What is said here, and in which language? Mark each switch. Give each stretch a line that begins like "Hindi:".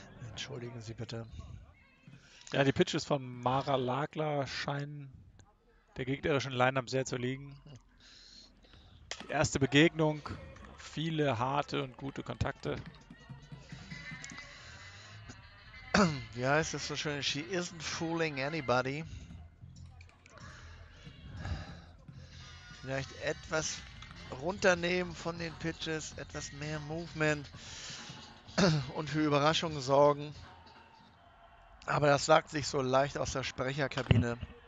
German: Entschuldigen Sie bitte. Ja, die Pitches von Mara Lagler scheinen der gegnerischen Line-Up sehr zu liegen. Die erste Begegnung, viele harte und gute Kontakte. Wie heißt es so schön?
English: She isn't fooling anybody.
German: Vielleicht etwas runternehmen von den Pitches, etwas mehr Movement und für Überraschungen sorgen. Aber das sagt sich so leicht aus der Sprecherkabine.